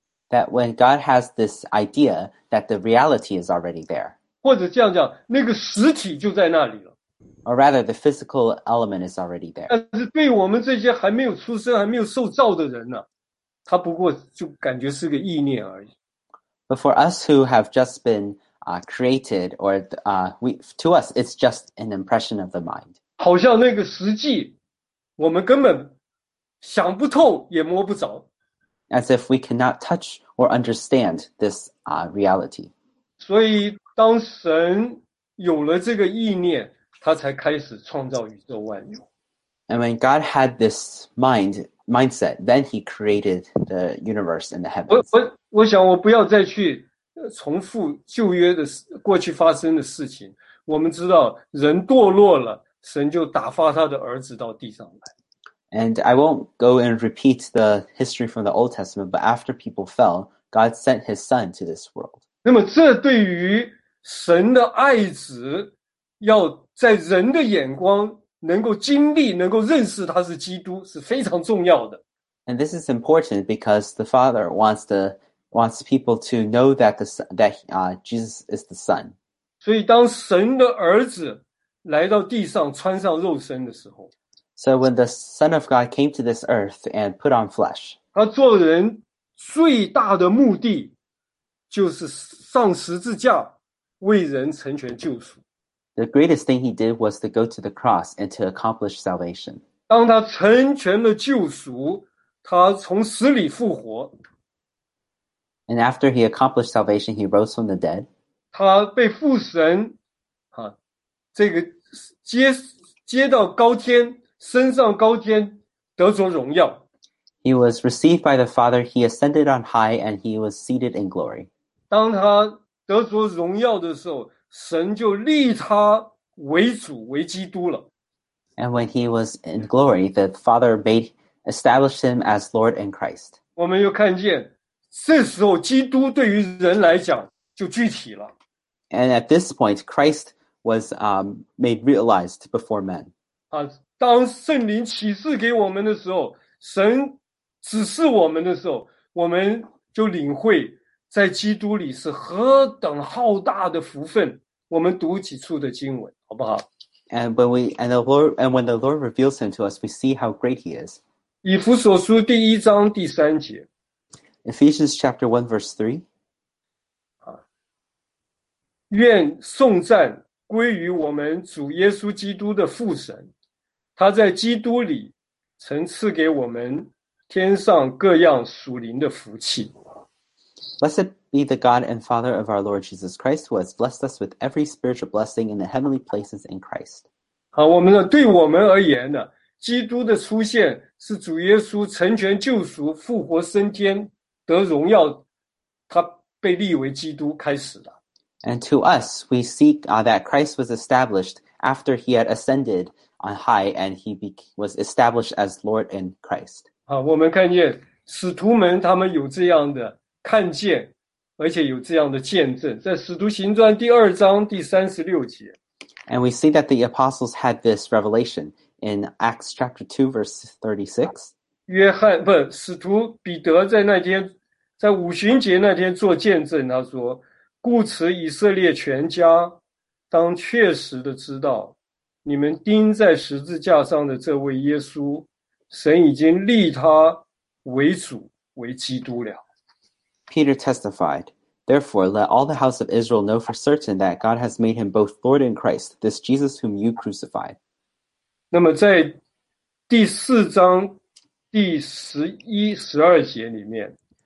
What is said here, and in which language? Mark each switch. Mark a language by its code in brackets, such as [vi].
[en] That when God has this idea, that the reality is already there. [zh] 或者这样讲，那个实体就在那里了。 [en] Or rather, the physical element is already there. [zh] 但是对我们这些还没有出生、还没有受造的人呢，它不过就感觉是个意念而已。 [en] But for us who have just been created, or to us, it's just an impression of the mind. [zh] 好像那个实际，我们根本想不透，也摸不着。 [en] As if we cannot touch or understand this reality. [zh] 所以，当神有了这个意念，他才开始创造宇宙万有。 [en] And when God had this mindset, then He created the universe and the heavens. [zh] 我想我不要再去。重复旧约的过去发生的事情，我们知道人堕落了，神就打发他的儿子到地上来。 [en] And I won't go and repeat the history from the Old Testament, but after people fell, God sent His Son to this world. [zh] 那么这对于神的爱子，要在人的眼光能够经历、能够认识他是基督，是非常重要的。 [en] And this is important because the Father wants the wants people to know that the son, that Jesus is the Son. [zh] 所以当神的儿子来到地上穿上肉身的时候， [en] So when the Son of God came to this earth and put on flesh, [zh] 他做人最大的目的就是上十字架为人成全救赎。 [en] The greatest thing he did was to go to the cross and to accomplish salvation. [zh] 当他成全了救赎，他从死里复活。 [en] And after he accomplished salvation, he rose from the dead. [zh] 他被父神，这个接到高天，升上高天，得着荣耀。 [en] He was received by the Father. He ascended on high, and he was seated in glory. [zh] 当他得着荣耀的时候，神就立他为主，为基督了。 [en] And when he was in glory, the Father made established him as Lord and Christ. [zh] 我们又看见。这时候，基督对于人来讲就具体了。 [en] And at this point, Christ was made realized before men. [zh] 当圣灵启示给我们的时候，神指示我们的时候，我们就领会在基督里是何等浩大的福分。我们读几处的经文，好不好 [en] ？And when we and the Lord and when the Lord reveals him to us, we see how great he is. [zh] 以弗所书第一章第三节。 [en] Ephesians chapter 1 verse 3. [zh] 愿颂赞归于我们主耶稣基督的父神，他在基督里曾赐给我们天上各样属灵的福气。 [en] Blessed be the God and Father of our Lord Jesus Christ, who has blessed us with every spiritual blessing in the heavenly places in Christ. [zh] 好，我们呢，对我们而言呢，基督的出现是主耶稣成全救赎、复活升天、得荣耀，他被立为基督开始的。 [en] And to us, we seek that Christ was established after he had ascended on high and he was established as Lord in Christ. [zh] 好，我们看见使徒们他们有这样的看见，而且有这样的见证，在使徒行传第二章第三十六节。 [en] And we see that the apostles had this revelation in Acts chapter 2, verse 36. [zh] 约翰，不，使徒彼得在那天，在五旬节那天做见证，他说，故此以色列全家当确实的知道，你们钉在十字架上的这位耶稣，神已经立他为主，为基督了。 [en] Peter testified, therefore, let all the house of Israel know for certain that God has made him both Lord and Christ, this Jesus whom you crucified. [zh] 那么在第四章第十一、十二节里面，